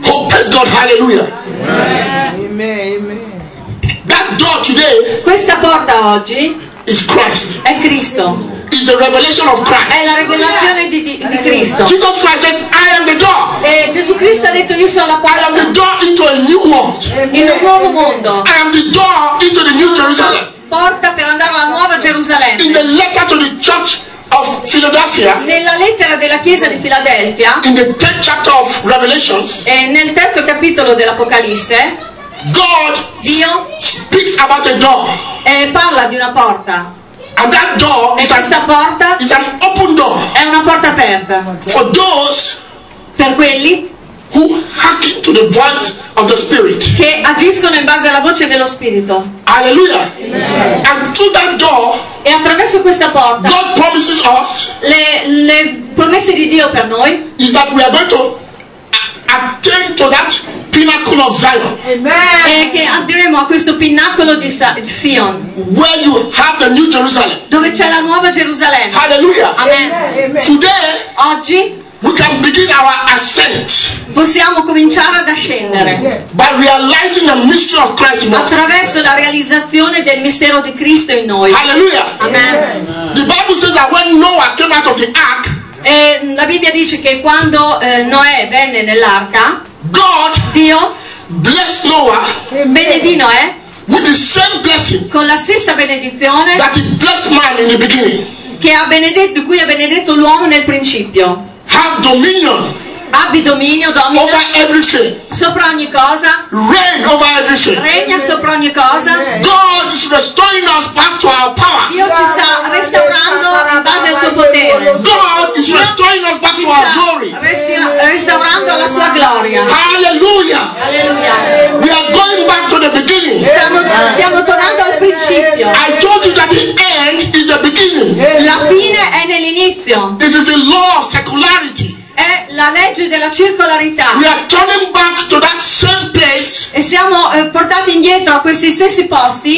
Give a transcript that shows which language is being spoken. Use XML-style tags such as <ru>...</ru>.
<en>Oh, praise God, hallelujah. Amen. Amen. That door today.</en> <it>Questa porta oggi.</it> <en>Is Christ.</en> <it>È Cristo.</it> <en>Is the revelation of Christ.</en> <it>È la rivelazione di Cristo.</it> <en>Jesus Christ says, I am the door.</en> <it>E Gesù Cristo ha detto, io sono la porta.</it> <en>I am the door into a new world.</en> <it>In un nuovo mondo.</it> <en>I am the door into the new Jerusalem.</en> <it>porta per andare alla nuova Gerusalemme.</it> <en>In the letter to the church of Philadelphia,</en> <it>nella lettera della chiesa di Filadelfia,</it> <en>in the third chapter of Revelations,</en> <it>e nel terzo capitolo dell'Apocalisse,</it> <en>God,</en> <it>Dio,</it> <en>speaks about a door,</en> <it>e parla di una porta.</it> <en>And that door</en> <it>e</it> <en>is</en> <it>questa porta</it> <en>is an open door,</en> <it>è una porta aperta.</it> <en>For those,</en> <it>per quelli</it> <en>who hearken to the voice of the Spirit,</en> <it>che agiscono in base alla voce dello Spirito.</it> <en>Alleluia. And through that door,</en> <it>e attraverso questa porta,</it> <en>God promises us,</en> <it>le promesse di Dio per noi,</it> <en>is that we are going to attain to that pinnacle of Zion. Amen.</en> <it>E che andremo a questo pinnacolo di Sion.</it> <en>Where you have the new Jerusalem.</en> <it>Dove c'è la nuova Gerusalemme. Alleluia. Amen.</it> <en>Today,</en> <it>oggi,</it> <en>we can begin our ascent.</en> <it>Possiamo cominciare ad ascendere.</it> <en>By realizing the mystery of Christ in us.</en> <it>Attraverso la realizzazione del mistero di Cristo in noi. Alleluia. Amen.</it> <en>The Bible says that when Noah came out of the ark,</en> <it>e la Bibbia dice che quando Noè venne nell'arca,</it> <en>God,</en> <it>Dio,</it> <en>bless Noah,</en> <it>benedì Noè,</it> <en>with the same blessing,</en> <it>con la stessa benedizione,</it> <en>that he blessed man in the beginning,</en> <it>che ha benedetto, di cui ha benedetto l'uomo nel principio.</it> <en>Have dominion,</en> <it>abbi dominio, domina,</it> <en>over everything,</en> <it>sopra ogni cosa,</it> <en>reign over everything,</en> <it>regna sopra ogni cosa.</it> <en>God is restoring us back to our power.</en> <it>Dio ci sta restaurando in base al suo potere.</it> <en>God is restoring us back to our glory.</en> <it>Restaurando la sua gloria. Hallelujah. Hallelujah.</it> <en>We are going back to the beginning.</en> <it>Stiamo tornando al principio.</it> <en>I told you that the end is the beginning.</en> <it>La fine è nell'inizio.</it> <en>It is the law of secularity.</en> <it>È la legge della circolarità.</it> <en>We are turning back to that same place,</en> <it>e siamo portati indietro a questi stessi posti</it>